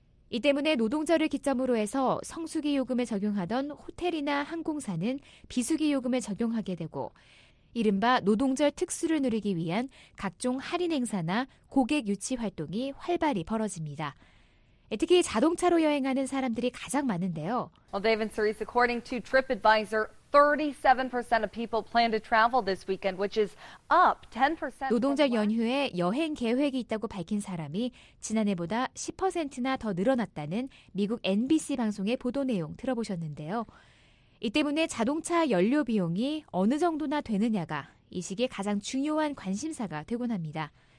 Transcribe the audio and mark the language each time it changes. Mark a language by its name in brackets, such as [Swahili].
[Korean] 이 때문에 노동절을 기점으로 해서 성수기 요금을 적용하던 호텔이나 항공사는 비수기 요금을 적용하게 되고 이른바 노동절 특수를 누리기 위한 각종 할인 행사나 고객 유치 활동이 활발히 벌어집니다. 특히 자동차로 여행하는 사람들이 가장 많은데요. [English] Well, David Cerise, according to TripAdvisor, 37% of people plan to travel this weekend, which is up 10%. [Korean] 노동절 연휴에 여행 계획이 있다고 밝힌 사람이 지난해보다 10%나 더 늘어났다는 미국 NBC 방송의 보도 내용 들어보셨는데요. 이 때문에 자동차 연료 비용이 어느 정도나 되느냐가 이 시기에 가장 중요한 관심사가 되곤 합니다.